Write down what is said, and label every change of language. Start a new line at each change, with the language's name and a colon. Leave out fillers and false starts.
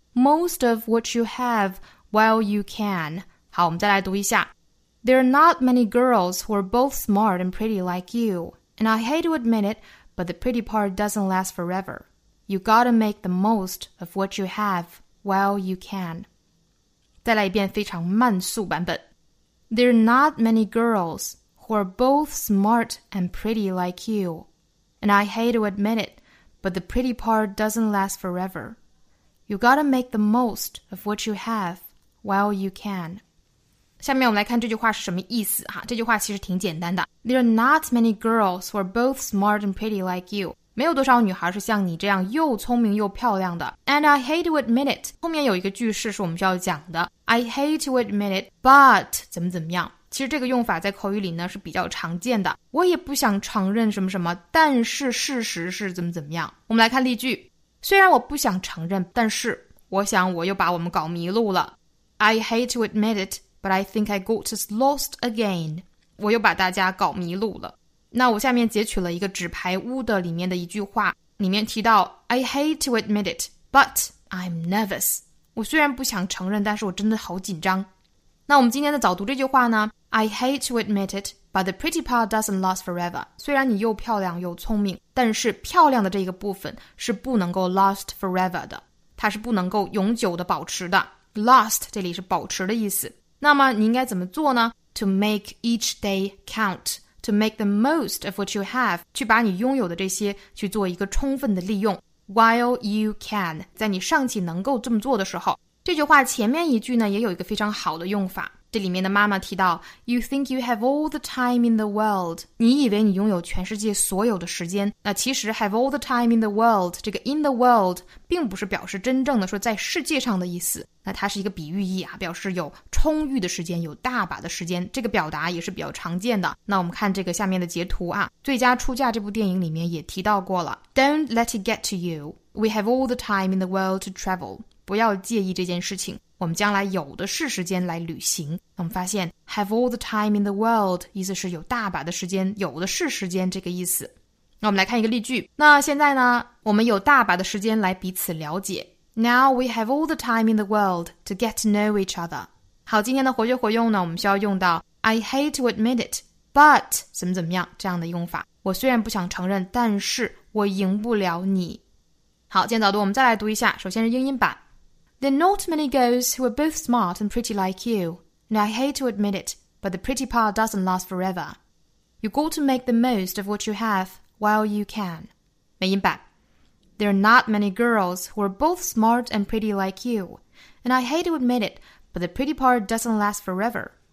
English: Most of what you have while you can.
Chinese: 好，我们再来读一下。
English: There are not many girls who are both smart and pretty like you. And I hate to admit it, but the pretty part doesn't last forever. You gotta make the most of what you have while you can.
Chinese: 再来一遍非常慢速版本。
English: There are not many girls who are both smart and pretty like you. And I hate to admit it, but the pretty part doesn't last forever. You gotta make the most of what you have while you can.
Chinese: 下面我们来看这句话是什么意思哈？这句话其实挺简单的。
English: There are not many girls who are both smart and pretty like you.
Chinese: 没有多少女孩是像你这样又聪明又漂亮的。
English: And I hate to admit it.
Chinese: 后面有一个句式是我们需要讲的。
English: I hate to admit it, but
Chinese: 怎么怎么样。其实这个用法在口语里呢是比较常见的。我也不想承认什么什么，但是事实是怎么怎么样。我们来看例句。虽然我不想承认，但是我想我又把我们搞迷路了。
English: I hate to admit it, but I think I got us lost again.
Chinese: 我又把大家搞迷路了。那我下面截取了一个纸牌屋的里面的一句话，里面提到
English: I hate to admit it, but I'm nervous.
Chinese: 我虽然不想承认，但是我真的好紧张。那我们今天的早读这句话呢，
English: I hate to admit it, but the pretty part doesn't last forever.
Chinese: 虽然你又漂亮又聪明，但是漂亮的这个部分是不能够
English: last forever
Chinese: 的，它是不能够永久的保持的。 Last 这里是保持的意思。那么你应该怎么做呢？
English: To make each day count, to make the most of what you have,
Chinese: 去把你拥有的这些去做一个充分的利用。
English: While you can,
Chinese: 在你尚且能够这么做的时候。这句话前面一句呢也有一个非常好的用法，这里面的妈妈提到
English: You think you have all the time in the world.
Chinese: 你以为你拥有全世界所有的时间，那其实
English: have all the time in the world,
Chinese: 这个
English: in the world
Chinese: 并不是表示真正的说在世界上的意思，那它是一个比喻意啊，表示有充裕的时间，有大把的时间，这个表达也是比较常见的。那我们看这个下面的截图啊，最佳出价这部电影里面也提到过了，
English: Don't let it get to you. We have all the time in the world to travel.
Chinese: 不要介意这件事情，我们将来有的是时间来旅行。我们发现
English: have all the time in the world
Chinese: 意思是有大把的时间，有的是时间这个意思。那我们来看一个例句。那现在呢，我们有大把的时间来彼此了解。
English: Now we have all the time in the world to get to know each other.
Chinese: 好，今天的活学活用呢，我们需要用到
English: I hate to admit it, but
Chinese: 怎么怎么样这样的用法。我虽然不想承认，但是我赢不了你。好，今天早读我们再来读一下，首先是英音版。
English: There are not many girls who are both smart and pretty like you, and I hate to admit it, but the pretty part doesn't last forever. You got to make the most of what you have while you can.
Chinese: 美音版。
English: There are not many girls who are both smart and pretty like you, and I hate to admit it, but the pretty part doesn't last forever.